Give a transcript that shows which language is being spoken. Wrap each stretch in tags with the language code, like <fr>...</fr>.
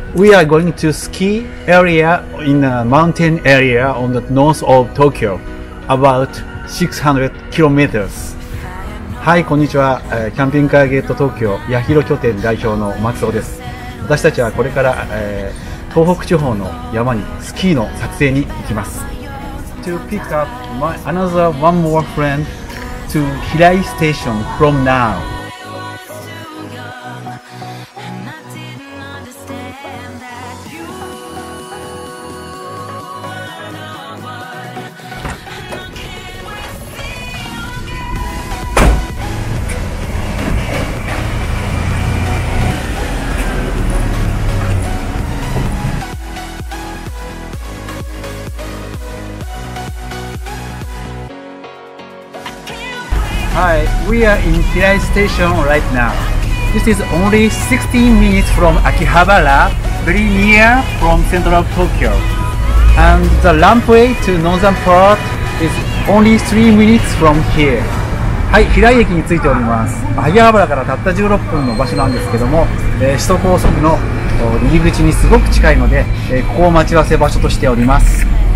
<en>We are going to ski area in a mountain area on the north of Tokyo, about 600 kilometers.</en> <ja>はい、こんにちは。キャンピングカーゲート東京八広拠点代表の松尾です。私たちはこれから、東北地方の山にスキーの撮影に行きます。</ja> <en>To pick up my another one more friend to Hirai Station from now. Hi, we are in Hirai Station right now. This is only 16 minutes from Akihabara, very near from central Tokyo. And the rampway to northern part is only 3 minutes from here.</en> <ja>はい、Hirai 駅に着いております。 Akihabara からたった16分の場所なんですけども、首都高速の入り口にすごく近いので、ここを待ち合わせ場所としております。</ja>